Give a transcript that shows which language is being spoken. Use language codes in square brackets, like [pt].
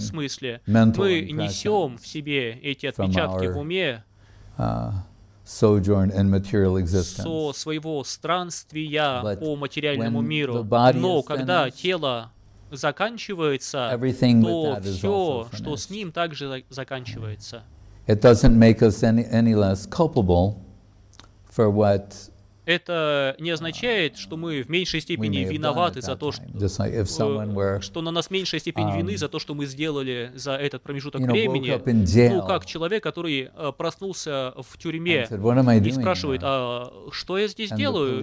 [ru] смысле мы несем в себе эти отпечатки в уме [en] sojourn and material existence. [ru] Со своего странствия [en] But [ru] по материальному миру. Но когда тело заканчивается, [en] everything [ru] то все, что с ним, также заканчивается. [en] It doesn't make us any less culpable for what. [ru] Это не означает, что мы в меньшей степени виноваты за то, что, что на нас меньшая степень вины за то, что мы сделали за этот промежуток времени. Ну, как человек, который проснулся в тюрьме и спрашивает, а что я здесь делаю?